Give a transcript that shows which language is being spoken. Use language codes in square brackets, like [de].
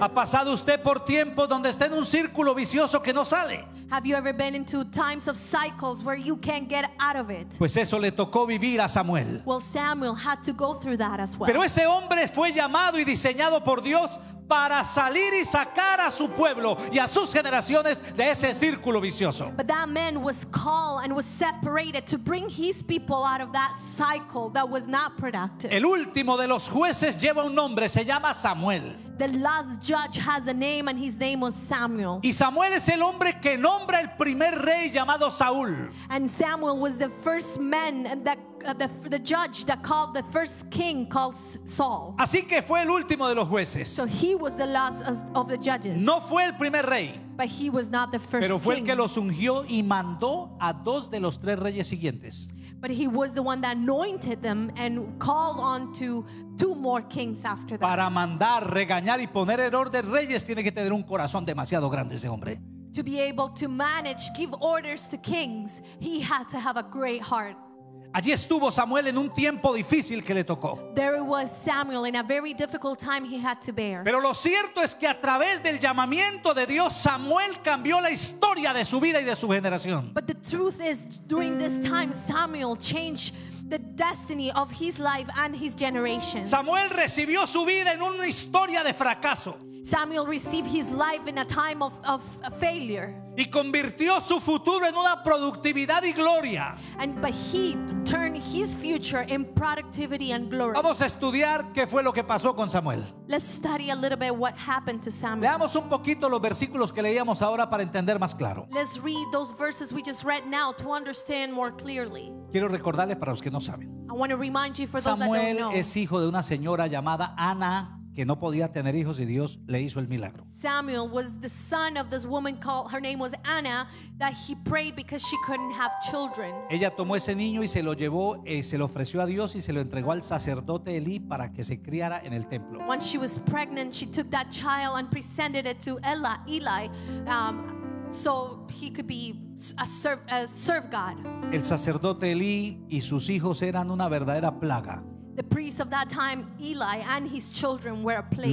[es] ¿Ha pasado usted por tiempos donde está en un círculo vicioso que no sale? [en] Have you ever been into times of cycles where you can't get out of it? [es] Pues eso le tocó vivir a Samuel. [en] Well, Samuel had to go through that as well. [es] Pero ese hombre fue llamado y diseñado por Dios para salir y sacar a su pueblo y a sus generaciones de ese círculo vicioso. [en] But that man was called and was separated to bring his people out of that cycle that was not productive. [es] El último de los jueces lleva un nombre, se llama Samuel. [en] The last judge has a name, and his name was Samuel. [es] Y Samuel es el hombre que nombra el primer rey llamado Saúl. [en] And Samuel was the first man that the judge that called the first king called Saul. [es] Así que fue el último de los jueces. [en] So he was the last of the judges. [es] No fue el primer rey. [en] But he was not the first king. [es] Pero fue el que los ungió y mandó a dos de los tres reyes siguientes. [en] But he was the one that anointed them and called on to two more kings after that. [es] Para mandar, regañar y poner en orden reyes tiene que tener un corazón demasiado grande ese hombre. [en] To be able to manage, give orders to kings, he had to have a great heart. [es] Allí estuvo Samuel en un tiempo difícil que le tocó. [en] There was Samuel in a very difficult time he had to bear. [es] Pero lo cierto es que a través del llamamiento de Dios, Samuel cambió la historia de su vida y de su generación. [en] But the truth is, during this time, Samuel changed the destiny of his life and his generation. [es] Samuel recibió su vida en una historia de fracaso. [en] Samuel received his life in a time of a failure. [es] Y convirtió su futuro en una productividad y gloria. [en] But he turned his future in productivity and glory. [es] Vamos a estudiar qué fue lo que pasó con Samuel. [en] Let's study a little bit what happened to Samuel. [es] Leamos un poquito los versículos que leíamos ahora para entender más claro. [en] Let's read those verses we just read now to understand more clearly. [es] Quiero recordarles para los que no saben. [en] I want to remind you for Samuel those that don't know. [es] Samuel es hijo de una señora llamada Ana, que no podía tener hijos y Dios le hizo el milagro. [en] Samuel was the son of this woman called, her name was Anna, that he prayed because she couldn't have children. [es] Ella tomó ese niño y se lo llevó y se lo ofreció a Dios y se lo entregó al sacerdote Eli para que se criara en el templo. [en] Once she was pregnant, she took that child and presented it to Eli, so he could be serve God. [es] El sacerdote Eli y sus hijos eran una verdadera plaga. [en] The priest of that time, Eli, and his children were a plague.